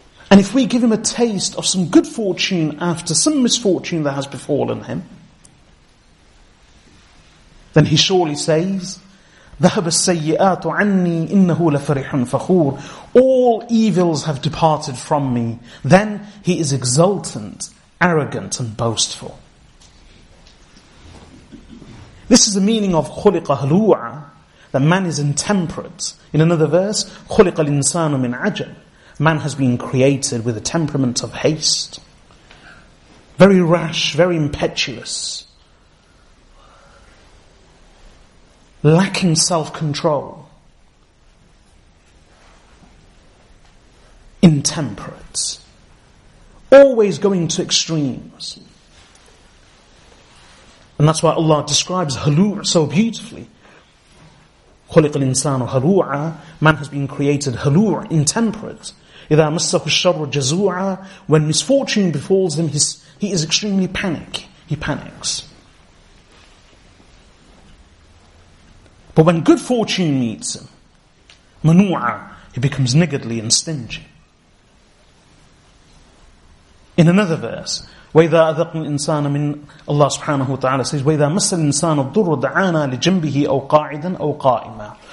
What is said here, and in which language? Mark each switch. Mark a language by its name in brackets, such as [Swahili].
[English] And if we give him a taste of some good fortune after some misfortune that has befallen him, then he surely says, [Arabic] ذَهَبَ السَّيِّئَاتُ عَنِّي إِنَّهُ لَفَرِحٌ فَخُورٌ. [English] All evils have departed from me. Then he is exultant, arrogant and boastful. This is the meaning of [Arabic] خُلِقَ هَلُوعًا, [English] that man is intemperate. In another verse, [Arabic] خُلِقَ الْإِنسَانُ مِنْ عَجَلٍ. [English] Man has been created with a temperament of haste. Very rash, very impetuous. Lacking self-control. Intemperate. Always going to extremes. And that's why Allah describes halu' so beautifully. [Arabic] خُلِقَ الْإِنسَانُ هَلُوعًا. [English] Man has been created halu', intemperate. [Arabic] إِذَا مَسَّهُ الشَّرُّ جَزُوعًا. [English] When misfortune befalls him, he is extremely panicky. He panics. But when good fortune meets him, مَنُوعًا, he becomes niggardly and stingy. In another verse, [Arabic] وَإِذَا أَذَقْنَ الْإِنسَانَ مِنْ, [English] Allah subhanahu wa ta'ala says, [Arabic] وَإِذَا مَسَّ الْإِنسَانَ الضُّرُّ دَعَانَا لِجَنْبِهِ أَوْ قَاعِدًا أَوْ قَائِمًا.